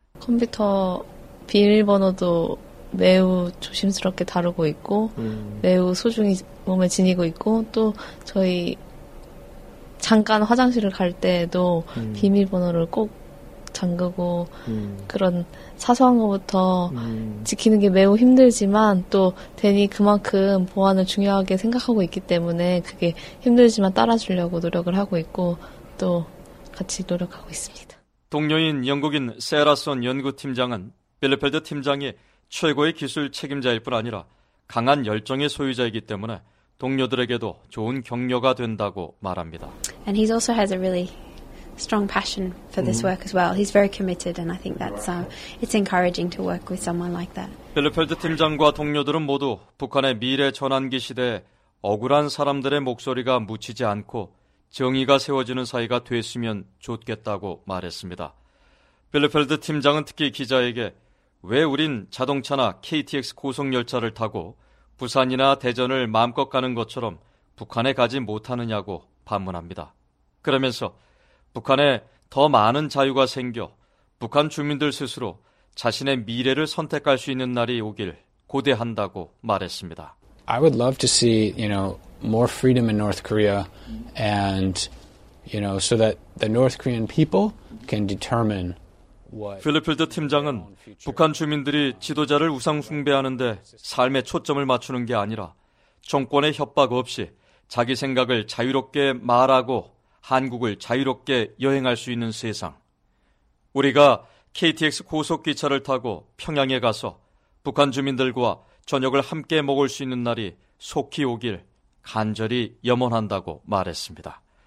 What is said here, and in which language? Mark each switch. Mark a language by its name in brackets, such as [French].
[Korean] 컴퓨터 비밀번호도 매우 조심스럽게 다루고 있고 매우 소중히 몸에 지니고 있고 또 저희 잠깐 화장실을 갈 때에도 비밀번호를 꼭 잠그고 그런 사소한 것부터 지키는 게 매우 힘들지만 또 대니 그만큼 보안을 중요하게 생각하고 있기 때문에 그게 힘들지만 따라주려고 노력을 하고 있고 또 같이 노력하고 있습니다. 동료인 영국인 세라손 연구팀장은 빌리펠드 팀장이 최고의 기술 책임자일 뿐 아니라 강한 열정의 소유자이기 때문에 동료들에게도 좋은 격려가 된다고 말합니다. [English] And he also has a really strong passion for this work as well. He's very committed and I think that's it's encouraging to work with someone like that. [Korean] 빌리펠드 팀장과 동료들은 모두 북한의 미래 전환기 시대에 억울한 사람들의 목소리가 묻히지 않고 정의가 세워지는 사이가 됐으면 좋겠다고 말했습니다. 빌리펠드 팀장은 특히 기자에게 왜 우린 자동차나 KTX 고속열차를 타고 부산이나 대전을 마음껏 가는 것처럼 북한에 가지 못하느냐고 반문합니다. 그러면서 북한에 더 많은 자유가 생겨 북한 주민들 스스로 자신의 미래를 선택할 수 있는 날이 오길 고대한다고 말했습니다. [English] I would love to see, you know, more freedom in North Korea and, you know, so that the North Korean people can determine [Korean] 필리펠드 팀장은 북한 주민들이 지도자를 우상 숭배하는데 삶의 초점을 맞추는 게 아니라 정권의 협박 없이 자기 생각을 자유롭게 말하고 한국을 자유롭게 여행할 수 있는 세상. 우리가 KTX 고속기차를 타고 평양에 가서 북한 주민들과 저녁을 함께 먹을 수 있는 날이 속히 오길 간절히 염원한다고 말했습니다.